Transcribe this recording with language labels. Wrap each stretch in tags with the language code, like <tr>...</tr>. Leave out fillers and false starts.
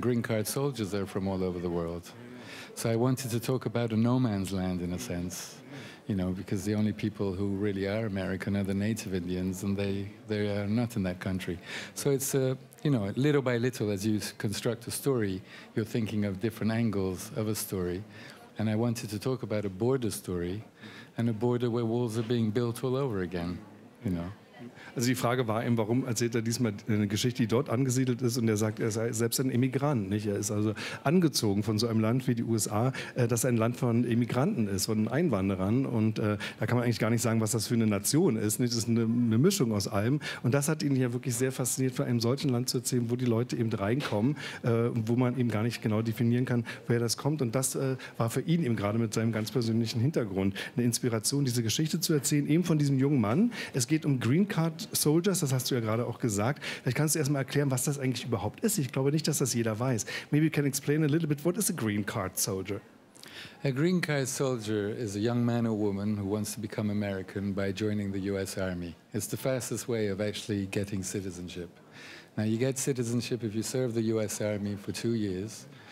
<en>Green card soldiers are from all over the world. So I wanted to talk about a no man's land in a sense, you know, because the only people who really are American are the native Indians and they are not in that country. So it's, you know, little by little as you construct a story, you're thinking of different angles of a story. And I wanted to talk about a border story and a border where walls are being built all over again, you know.</en> <de>Also die Frage war eben, warum erzählt er diesmal eine Geschichte, die dort angesiedelt ist und er sagt, er sei selbst ein Immigrant, nicht? Er ist also angezogen von so einem Land wie die USA, das ein Land von Immigranten ist, von Einwanderern und da kann man eigentlich gar nicht sagen, was das für eine Nation ist, nicht? Das ist eine Mischung aus allem und das hat ihn ja wirklich sehr fasziniert, von einem solchen Land zu erzählen, wo die Leute eben reinkommen, wo man eben gar nicht genau definieren kann, woher das kommt und das war für ihn eben gerade mit seinem ganz persönlichen Hintergrund eine Inspiration, diese Geschichte zu erzählen, eben von diesem jungen Mann. Es geht um Green Card Soldiers, das hast du ja gerade auch gesagt. Vielleicht kannst du erst mal erklären, was das eigentlich überhaupt ist. Ich glaube nicht, dass das jeder weiß.</de> <en>Maybe you can explain a little bit, what is a green card soldier? A green card soldier is a young man or woman who wants to become American by joining the US Army. It's the fastest way of actually getting citizenship. Now you get citizenship if you serve the US Army for 2 years.</en>